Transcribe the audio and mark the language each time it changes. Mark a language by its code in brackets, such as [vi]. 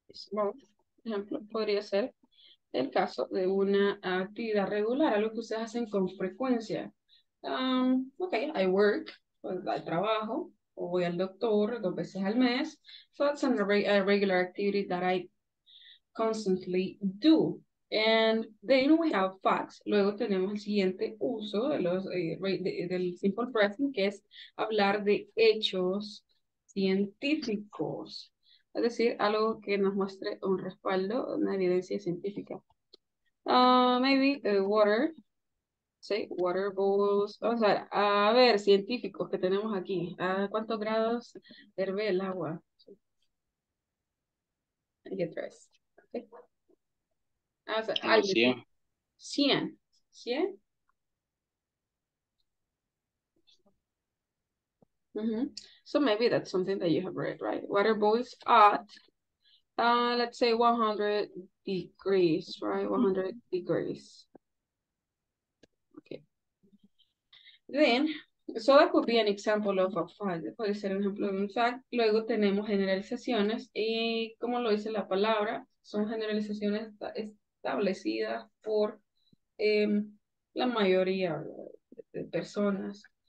[es] Por ejemplo, podría ser el caso de una actividad regular, algo que ustedes hacen con frecuencia. Okay, [en] I work, [es] pues, al trabajo, o voy al doctor dos veces al mes. [en] So that's a regular activity that I constantly do. And then we have facts. [es] Luego tenemos el siguiente uso de los, del simple present, que es hablar de hechos científicos. Es decir, algo que nos muestre un respaldo, una evidencia científica. [en] Maybe water. Say water bowls. [es] Vamos a ver, científicos que tenemos aquí. ¿A cuántos grados hierve el agua? [en] I get dressed. Okay. [es] Vamos a ver. [en] 100. 100. So maybe that's something that you have read, right? Water boils at, let's say 100 degrees, right? 100 degrees. Okay. Then, so that could be an example of a fact. [es] Puede ser un ejemplo de un fact. Luego tenemos generalizaciones. Y como lo dice la palabra, son generalizaciones establecidas por la mayoría de personas.